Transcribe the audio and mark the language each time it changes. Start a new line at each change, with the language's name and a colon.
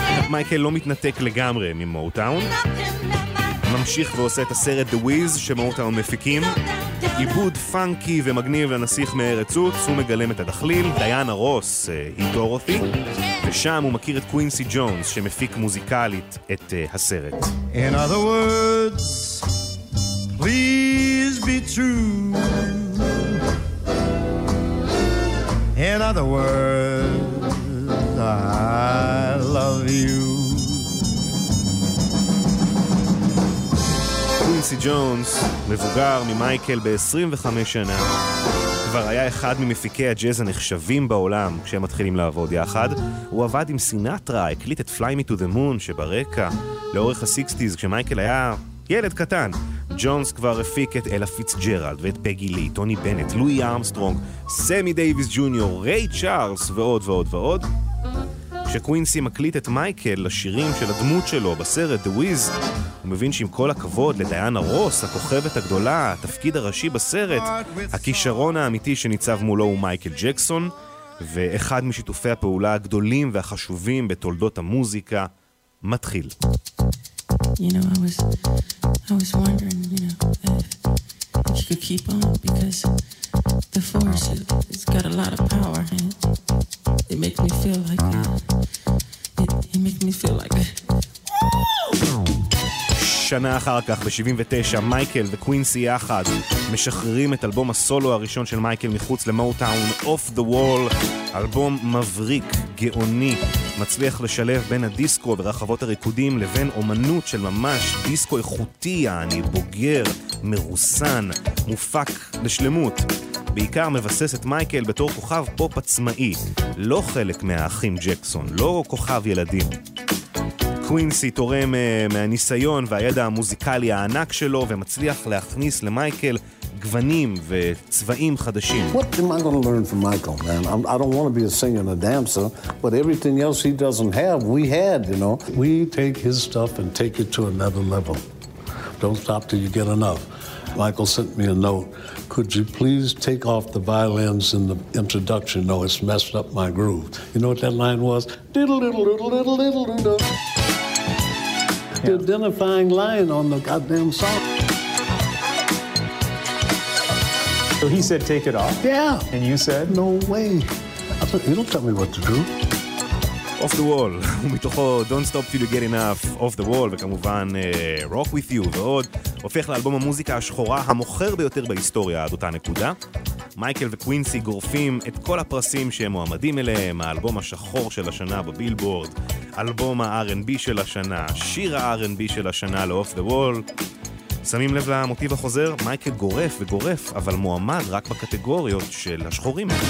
Hebrew: מייקל לא מתנתק לגמרי ממוטאון. ממשיך ועושה את הסרט The Wiz שמוטאון מפיקים. עיבוד פאנקי ומגניב לנסיך מארץ צוץ, הוא מגלם את הדחליל. דיאנה רוס היא דורותי, ושם הוא מכיר את קווינסי ג'ונס שמפיק מוזיקלית את הסרט.
English: In other words, please be true. In other words, I love you.
Hebrew: קווינסי ג'ונס, מבוגר ממייקל ב-25 שנה, כבר היה אחד ממפיקי הג'אז הנחשבים בעולם כשהם מתחילים לעבוד יחד. הוא עבד עם סינטרה, הקליט את Fly Me to the Moon שברקע לאורך ה-60s כשמייקל היה ילד קטן. ג'ונס כבר הפיק את אלה פיץ ג'רלד ואת פגי לי, טוני בנט, לואי ארמסטרונג, סמי דייביס ג'וניור, ריי צ'ארלס ועוד ועוד ועוד. כשקווינסי מקליט את מייקל לשירים של הדמות שלו בסרט The Wiz, הוא מבין שעם כל הכבוד לדיאנה רוס, הכוכבת הגדולה, התפקיד הראשי בסרט, הכישרון האמיתי שניצב מולו הוא מייקל ג'קסון, ואחד משיתופי הפעולה הגדולים והחשובים בתולדות המוזיקה מתחיל.
English: You know, I was wondering, you know, if you could keep on, because the force, it's got a lot of power, and it makes me feel like it makes me feel like
Hebrew: שנה אחר כך, ב-79, מייקל וקווינסי יחד משחררים את אלבום הסולו הראשון של מייקל מחוץ למוטאון, Off the Wall. אלבום מבריק, גאוני, מצליח לשלב בין הדיסקו ורחבות הריקודים לבין אומנות של ממש דיסקו איכותי, אני בוגר, מרוסן, מופק לשלמות. בעיקר מבסס את מייקל בתור כוכב פופ עצמאי, לא חלק מהאחים ג'קסון, לא כוכב ילדים. קווינסי תורם מהניסיון והידע המוזיקלי הענק שלו ומצליח להכניס למייקל גוונים וצבעים חדשים.
English: What am I going to learn from Michael, man? I don't want to be a singer and a dancer, but everything else he doesn't have, we had, you know. We take his stuff and take it to another level. Don't stop till you get enough. Michael sent me a note. Could you please take off the violins in the introduction? No, it's messed up my groove. You know what that line was? Diddle-diddle-diddle-diddle-diddle-diddle. Yeah. Identifying line on the goddamn song. So he said take it off? Yeah. And you said? No way. I said, you don't tell me what to do.
Hebrew: Off the wall, ומתוכו Don't Stop Till You Get Enough, Off the Wall, וכמובן Rock With You ועוד, הופך לאלבום המוזיקה השחורה המוכר ביותר בהיסטוריה עד אותה נקודה. מייקל וקווינסי גורפים את כל הפרסים שהם מועמדים אליהם, האלבום השחור של השנה בבילבורד, אלבום ה-R&B של השנה, שיר ה-R&B של השנה ל-Off the Wall. שמים לב למוטיב החוזר, מייקל גורף וגורף, אבל מועמד רק בקטגוריות של השחורים.